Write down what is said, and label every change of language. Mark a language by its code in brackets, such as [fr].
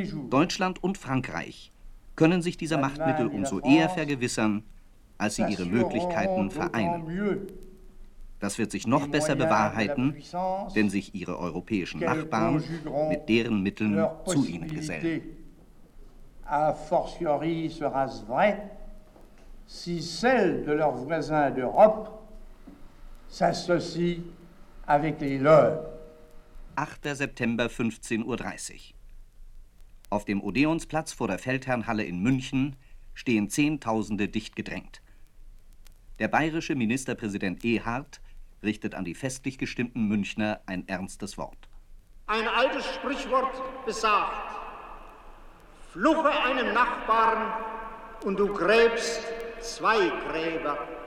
[de] Deutschland und Frankreich können sich dieser Machtmittel umso eher vergewissern, als sie ihre Möglichkeiten vereinen. Das wird sich noch besser bewahrheiten, wenn sich ihre europäischen Nachbarn mit deren Mitteln zu ihnen gesellen. [fr] A fortiori sera-ce vrai, si celle de leurs voisins d'Europe s'associe avec les leurs. [de] 8. September, 15.30 Uhr. Auf dem Odeonsplatz vor der Feldherrnhalle in München stehen Zehntausende dicht gedrängt. Der bayerische Ministerpräsident Ehard richtet an die festlich gestimmten Münchner ein ernstes Wort. Ein altes Sprichwort besagt: Fluche einem Nachbarn und du gräbst zwei Gräber.